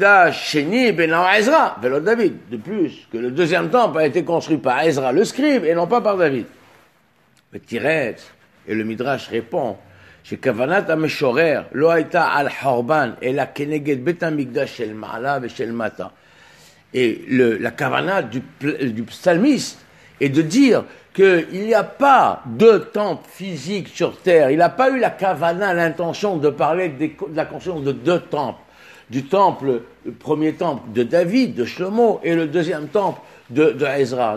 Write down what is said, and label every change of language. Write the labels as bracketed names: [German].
[French] De plus, que le deuxième temple a été construit par Ezra le scribe et non pas par David. Et le Midrash répond, [Hebrew] שכוונת המשורר לא הייתה על חורבן, אלא כנגד בית המקדש של מעלה ושל מטה. [French] Et la kavana du psalmiste est de dire qu'il n'y a pas de temple physique sur terre. Il n'a pas eu la kavana, l'intention de parler de la construction de deux temples. Du temple, le premier temple de David, de Shlomo, et le deuxième temple de Ezra.